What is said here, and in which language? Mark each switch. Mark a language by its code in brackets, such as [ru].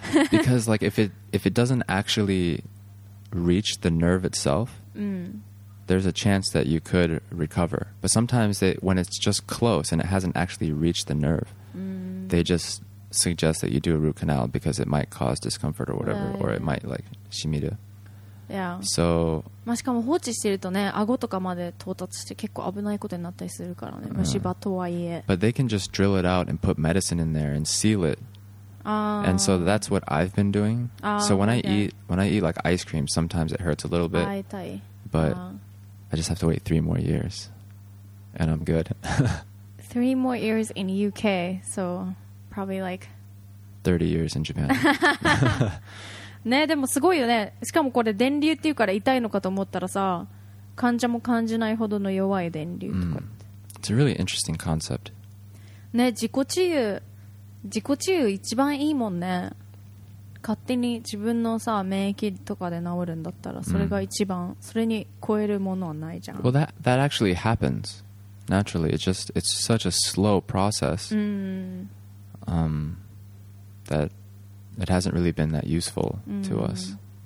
[en] Because like if it doesn't actually reach the nerve itself. Mm. There's a chance that you could recover. But sometimes when it's just close and it hasn't actually reached the nerve, they just suggest that you do a root canal because it might cause discomfort or whatever, or it might like shimiru. Yeah. So, [ja] まあ、しかも放置してるとね、顎とかまで到達して結構危ないことになったりするからね、虫歯とはいえ。 [en] But they can just drill it out and put medicine in there and seal it. And so that's what I've been doing. So when I eat like ice cream, sometimes it hurts a little bit. [ja] あ、痛い。 [en] But I just have to wait 3 more years and I'm good. 3 more years in UK, so probably like 30 years in Japan. [ja] ね、でもすごいよね。しかもこれ電流っていうから痛いのかと思ったらさ、患者も感じないほどの弱い電流とか。 [en] It's a really interesting concept. [ja] ね、自己治癒一番いいもんね。勝手に自分のさ免疫とかで治るんだったらそれが一番、それに超えるものはないじゃん。 [en] Well, that actually happens naturally. It's such a slow process that it hasn't really been that useful to us.